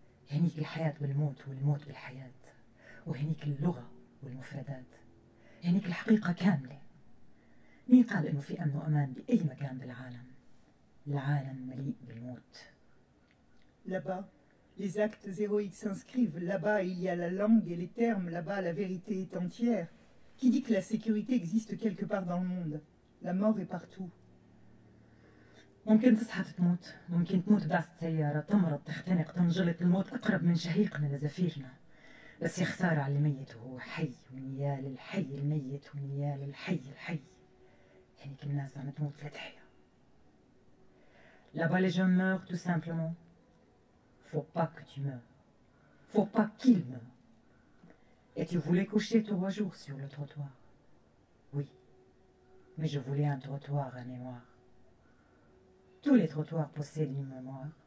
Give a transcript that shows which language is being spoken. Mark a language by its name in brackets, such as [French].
[Arabic] هنيك الحياة والموت والموت بالحياة. وهنيك اللغة والمفردات. هنيك الحقيقة كاملة. مين قال إنه في أمن وأمان بأي مكان بالعالم؟ العالم مليء بالموت. [French] Là-bas, les actes héroïques s'inscrivent. Là-bas, il y a la langue et les termes. Là-bas, la vérité est entière. Qui dit que la sécurité existe quelque part dans le monde? La mort est partout. [Arabic] ممكن تصحى تموت، ممكن تموت بدعسة سيارة، تمرض، تختنق، تنجلط، الموت أقرب من شهيقنا لزفيرنا. بس يا خسارة على اللي ميت وهو حي، ونيال الحي الميت، ونيال الحي الحي. يعني كل الناس عم تموت لتحيا. [French] Là-bas, les gens meurent tout simplement. Faut pas que tu meurs. Faut pas qu'il meure. Et tu voulais coucher trois jours sur le trottoir. Oui. Mais je voulais un trottoir à mémoire. Tous les trottoirs possèdent une mémoire.